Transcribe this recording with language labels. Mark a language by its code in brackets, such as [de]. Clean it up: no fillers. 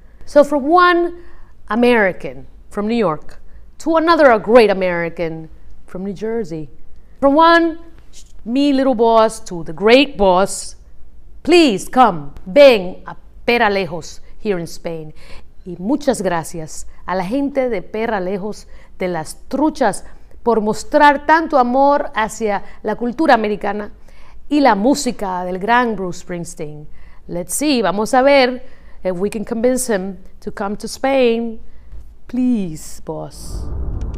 [en] So from one American from New York, to another, a great American from New Jersey. From one, me little boss, to the great boss, please come, [es] ven a [en] Pera Lejos here in Spain. [es] Y muchas gracias a la gente de Pera Lejos de las Truchas por mostrar tanto amor hacia la cultura americana y la música del gran Bruce Springsteen. [en] Let's see, [es] vamos a ver [en] if we can convince him to come to Spain. Please, boss.